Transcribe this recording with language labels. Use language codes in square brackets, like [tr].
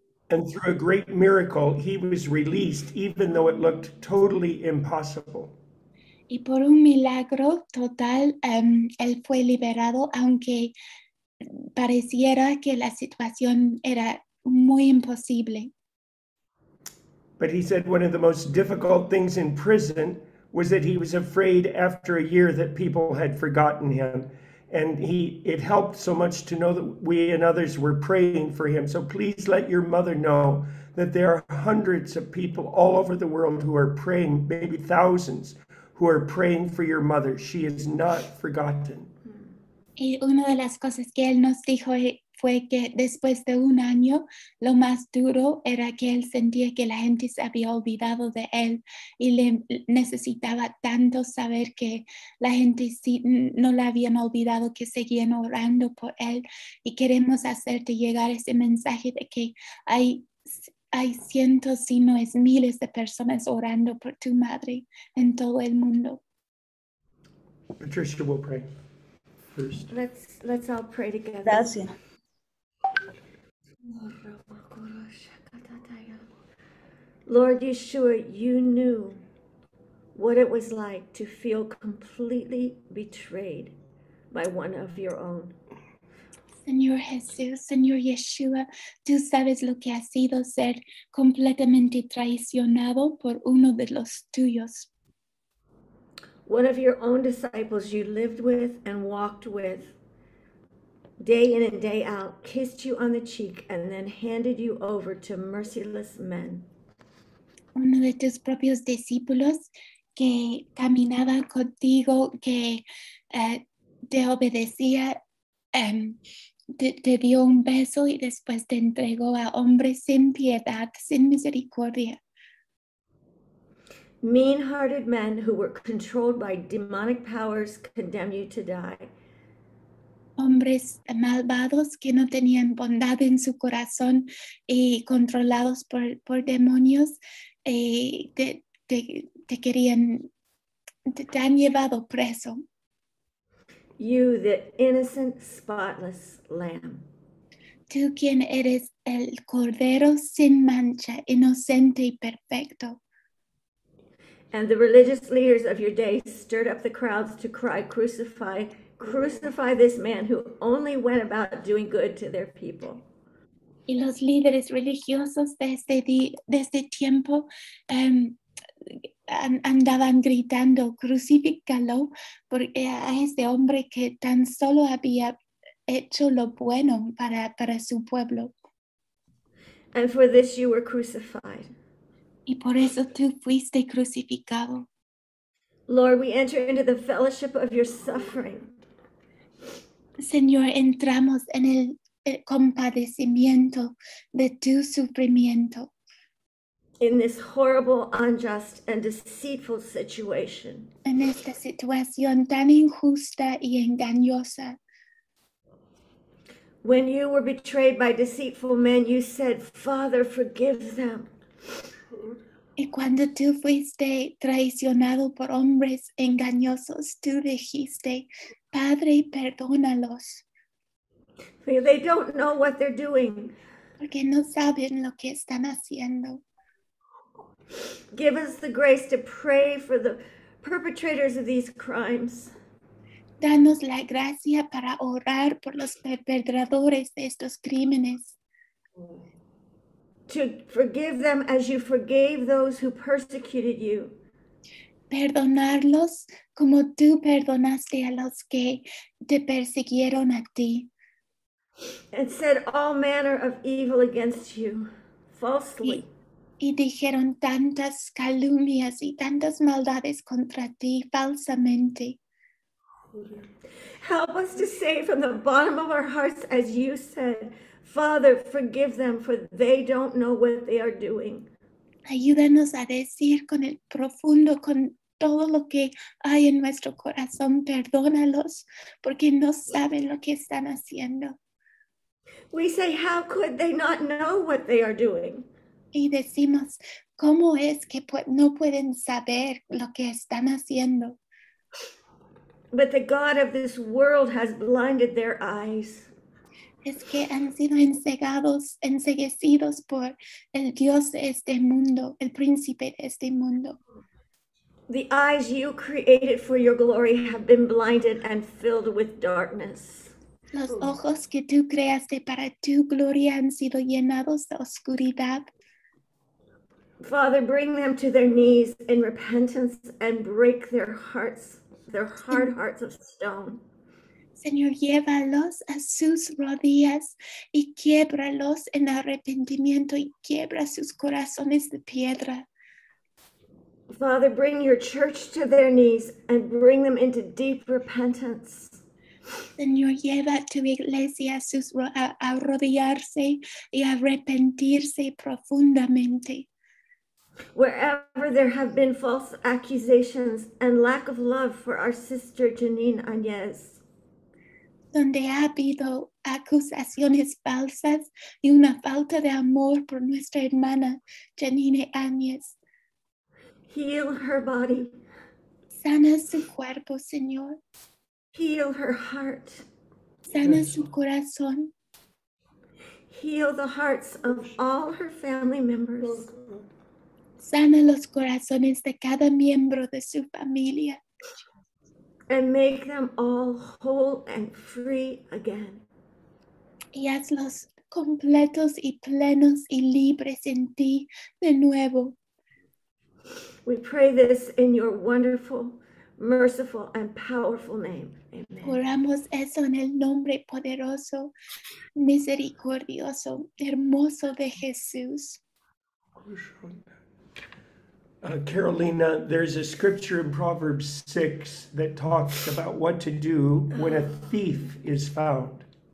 [en] And through a great miracle, he was released, even though it looked totally impossible. [es] Y por un milagro total, él fue liberado, aunque pareciera que la situación era muy imposible. [en] But he said one of the most difficult things in prison was that he was afraid after a year that people had forgotten him. And it helped so much to know that we and others were praying for him. So please let your mother know that there are hundreds of people all over the world who are praying, maybe thousands, who are praying for your mother. She is not forgotten. [es] Y una de las cosas que él nos dijo fue que después de un año, lo más duro era que él sentía que la gente se había olvidado de él y le necesitaba tanto saber que la gente sí, no la habían olvidado, que seguían orando por él. Y queremos hacerte llegar ese mensaje de que hay cientos, si no es miles de personas orando por tu madre en todo el mundo. [en] Patricia will pray first. Let's all pray together. [es] Gracias. [en] Lord Yeshua, you knew what it was like to feel completely betrayed by one of your own. [es] Señor Jesús, Señor Yeshua, tú sabes lo que ha sido ser completamente traicionado por uno de los tuyos. [en] One of your own disciples you lived with and walked with day in and day out, kissed you on the cheek, and then handed you over to merciless men. [es] Uno de tus propios discípulos que caminaba contigo, que te obedecía, te dio un beso y después te entregó a hombres sin piedad, sin misericordia. [en] Mean-hearted men who were controlled by demonic powers condemn you to die. [es] hombres malvados que no tenían bondad en su corazón y controlados por demonios, te querían, te han llevado preso. [en] You, the innocent, spotless lamb. [es] Tú quien eres el cordero sin mancha, inocente y perfecto. [en] And the religious leaders of your day stirred up the crowds to cry, crucify, crucify this man who only went about doing good to their people. [es] Y los líderes religiosos de este tiempo andaban gritando, crucifícalo, porque a este hombre que tan solo había hecho lo bueno para su pueblo. [en] And for this you were crucified. [es] Y por eso tú fuiste crucificado. [en] Lord, we enter into the fellowship of your suffering. [es] Señor, entramos en el compadecimiento de tu sufrimiento. [en] In this horrible, unjust, and deceitful situation. [es] En esta situación tan injusta y engañosa. [en] When you were betrayed by deceitful men, you said, Father, forgive them. [es] Y cuando tú fuiste traicionado por hombres engañosos, tú dijiste, Padre, perdónalos. [en] They don't know what they're doing. [es] Porque no saben lo que están haciendo. [en] Give us the grace to pray for the perpetrators of these crimes. [es] Danos la gracia para orar por los perpetradores de estos crímenes. [en] To forgive them as you forgave those who persecuted you. [es] Perdonarlos como tú perdonaste a los que te persiguieron a ti. [en] And said all manner of evil against you, falsely. [es] Y dijeron tantas calumnias y tantas maldades contra ti falsamente. [en] Help us to say from the bottom of our hearts as you said, Father, forgive them, for they don't know what they are doing. [es] Ayúdanos a decir con el profundo, con todo lo que hay en nuestro corazón, perdónalos, porque no saben lo que están haciendo. [en] We say, how could they not know what they are doing? [es] Y decimos, ¿cómo es que no pueden saber lo que están haciendo? [en] But the God of this world has blinded their eyes. [es] Es que han sido enceguecidos por el Dios de este mundo, el príncipe de este mundo. [en] The eyes you created for your glory have been blinded and filled with darkness. [es] Los ojos que tú creaste para tu gloria han sido llenados de oscuridad. [en] Father, bring them to their knees in repentance and break their hearts, their hard hearts of stone. [es] Señor, llévalos a sus rodillas y quiébralos en arrepentimiento y quiebra sus corazones de piedra. [en] Father, bring your church to their knees and bring them into deep repentance. [es] Señor, lleva tu iglesia a sus arrodillarse y arrepentirse profundamente. [en] Wherever there have been false accusations and lack of love for our sister Janine Añez. [es] Donde ha habido acusaciones falsas y una falta de amor por nuestra hermana Janine Añez. [en] Heal her body. [es] Sana su cuerpo, Señor. [en] Heal her heart. [es] Sana su corazón. [en] Heal the hearts of all her family members. [es] Sana los corazones de cada miembro de su familia. [en] And make them all whole and free again. [es] Y hazlos completos y plenos y libres en ti de nuevo. [en] We pray this in your wonderful, merciful, and powerful name. Amen. [es] Oramos eso en el nombre poderoso, misericordioso, hermoso de Jesús. [en] Carolina, there's a scripture in Proverbs 6 that talks about what to do when a thief is found.